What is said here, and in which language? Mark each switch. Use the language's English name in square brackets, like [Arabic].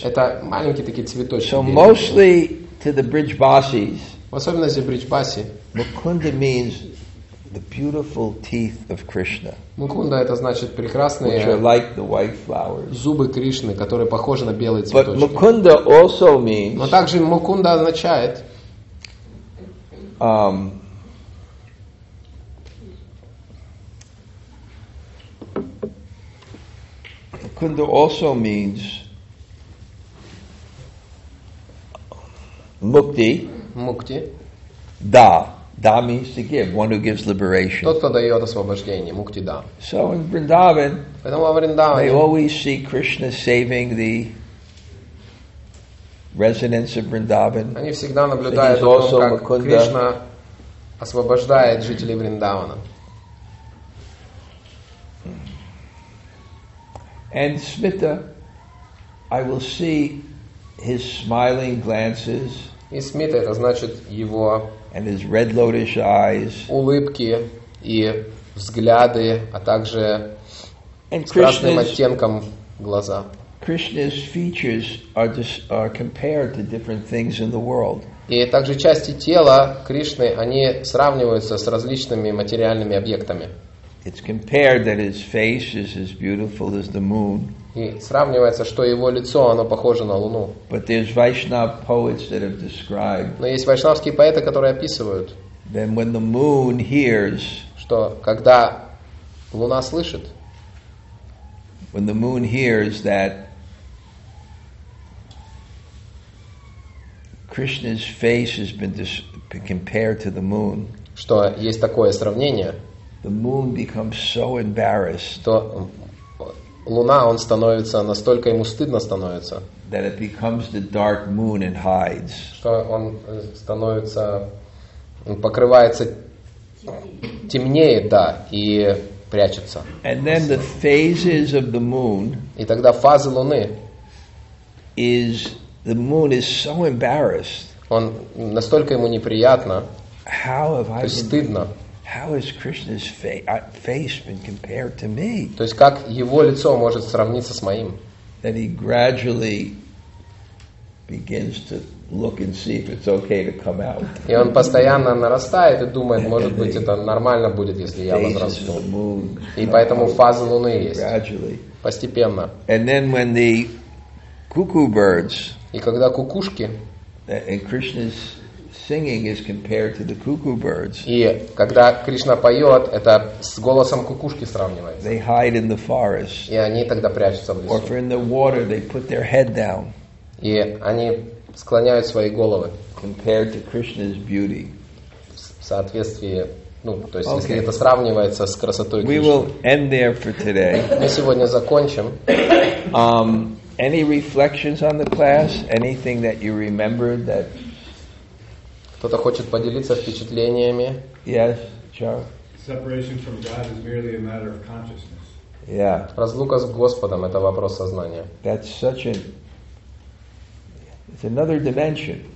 [Russian] Это маленькие такие цветочки. [English] So mostly to the Brijbasis. [Russian] В особенности Брижбаси. [English] Mukunda means the beautiful teeth of Krishna. [Russian] Мукунда это значит прекрасные. [English] Which are like the white flowers. [Russian] Зубы Кришны, которые похожи на белые цветочки. [English] But Mukunda also means. [Russian] Но также Мукунда означает. [English] Kunda also means mukti. Mukti. Da. Da means to give. One who gives liberation. [Russian] Тот, кто дает освобождение. Мукти да. [English] So in Vrindavan, [Russian] поэтому в Вриндаване, [English] they always see Krishna saving the residents of Vrindavan. [Russian] Они всегда наблюдают за тем, как Mukunda. Кришна освобождает жителей Вриндавана. [English] And Smita, I will see his smiling glances. [Russian] И Смита это значит его. [English] And his red lotus eyes. [Russian] Улыбки и взгляды, а также страшным оттенком глаза. [English] Krishna's features are just are compared to different things in the world. [Russian] И также части тела Кришны, они сравниваются с различными материальными объектами. [English] It's compared that his face is as beautiful as the moon. [Russian] И сравнивается, что его лицо, оно похоже на луну. [English] But there's Vaishnav poets that have described. [Russian] Но есть вайшнавские поэты, которые описывают. [English] Then when the moon hears, [Russian] что когда луна слышит, [English] when the moon hears that Krishna's face has been compared to the moon, [Russian] что есть такое сравнение, [English] the moon becomes so embarrassed, [Russian] что луна, он становится настолько ему стыдно становится, [English] that it becomes the dark moon and hides, [Russian] что он становится, он покрывается темнее, да, и прячется. [English] And then the phases of the moon, [Russian] и тогда фазы луны, [English] is the moon is so embarrassed, [Russian] он настолько ему неприятно, [English] how have I been, [Russian] стыдно, [English] how has Krishna's face been compared to me, [Russian] то есть как его лицо может сравниться с моим, [English] that he gradually begins to look and see if it's okay to come out. [Russian] И он постоянно нарастает и думает, может быть, это нормально будет, если я возрасту. И поэтому фазы луны есть. Постепенно. [English] And then when the cuckoo birds, [Russian] и когда кукушки, [English] and Krishna's singing is compared to the cuckoo birds, [Russian] и когда Кришна поет, это с голосом кукушки сравнивается. [English] They hide in the forest. [Russian] И они тогда прячутся в лесу. [English] Or in the water, they put their head down. [Russian] И они склоняют свои головы. [English] Compared to Krishna's beauty. [Russian] В соответствии, ну, то есть, okay. Если это сравнивается с красотой Кришны. [English] We will end there for today. [Russian] Мы сегодня закончим. [English] Any reflections on the class? Anything that you remember that? [Russian] Кто-то хочет поделиться впечатлениями? [English] Yes, sure. Separation from God is merely a matter of consciousness. Yeah. [Russian] Разлука с Господом – это вопрос сознания. [English] That's such a It's another dimension.